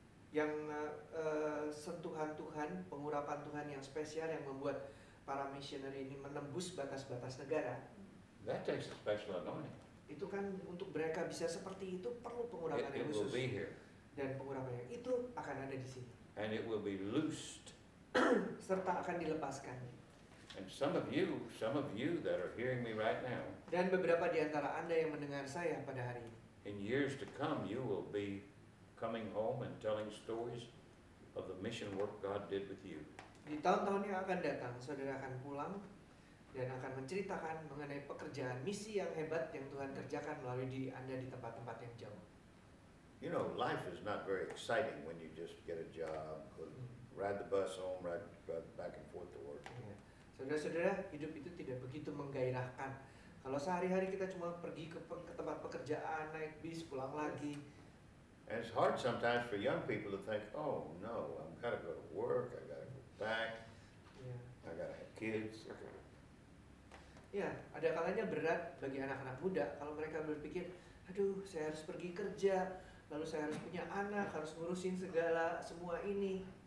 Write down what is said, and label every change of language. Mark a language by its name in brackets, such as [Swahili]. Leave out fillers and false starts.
[Indonesian] Yang sentuhan Tuhan, pengurapan Tuhan yang spesial yang membuat para missionary ini menembus batas-batas negara. [English] That takes a special anointing. [Indonesian] Itu kan untuk mereka bisa seperti itu perlu pengurapan yang khusus. [English] Will be here. [Indonesian] Dan pengurapan yang itu akan ada di sini. [English] And it will be loosed. [Indonesian] Serta akan dilepaskan. [English] And some of you that are hearing me right now. [Indonesian] Dan beberapa di antara Anda yang mendengar saya pada hari ini. [English] In years to come you will be coming home and telling stories of the mission work God did with you. [Indonesian] Di tahun-tahun yang akan datang saudara akan pulang dan akan menceritakan mengenai pekerjaan misi yang hebat yang Tuhan kerjakan melalui diri Anda di tempat-tempat yang jauh. [English] You know, life is not very exciting when you just get a job, ride the bus home, ride back and forth to work. [Indonesian] Saudara-saudara, hidup itu tidak begitu menggairahkan. Kalau sehari-hari kita cuma pergi ke tempat pekerjaan, naik bis, pulang lagi. [English] And it's hard sometimes for young people to think, oh no, I've got to go to work, I've got to go back, I've got to have kids. [Indonesian] Ya, ada kalanya berat bagi anak-anak muda kalau mereka berpikir, aduh, saya harus pergi kerja, lalu saya harus punya anak, harus ngurusin segala semua ini.